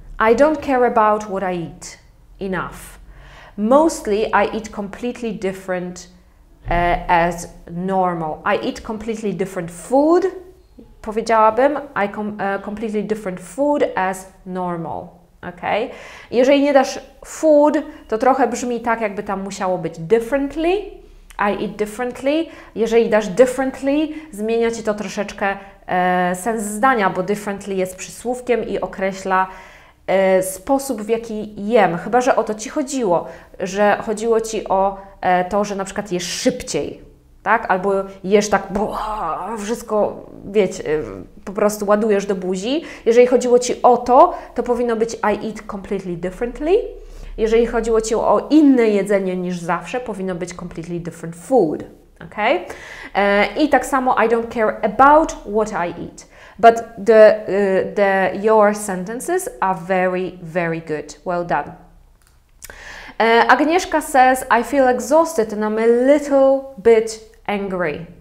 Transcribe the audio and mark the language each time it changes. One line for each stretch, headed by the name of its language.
English: I don't care about what I eat. Enough. Mostly, I eat completely different as normal. I eat completely different food,
Polish: powiedziałabym.
English: Completely different food as normal. Okay?
Polish: Jeżeli nie dasz food, to trochę brzmi tak, jakby tam musiało być differently.
English: I eat differently.
Polish: Jeżeli dasz differently, zmienia ci to troszeczkę sens zdania, bo differently jest przysłówkiem i określa sposób, w jaki jem. Chyba, że o to ci chodziło, że chodziło ci o to, że na przykład jesz szybciej, tak? Albo jesz tak, bo wszystko, wiecie, po prostu ładujesz do buzi. Jeżeli chodziło ci o to, to powinno być
English: I eat completely differently.
Polish: Jeżeli chodziło ci o inne jedzenie niż zawsze, powinno być
English: completely different food,
Polish: ok? I tak samo
English: I don't care about what I eat. But the your sentences are very, very good. Well done. Agnieszka says, I feel exhausted and I'm a little bit angry.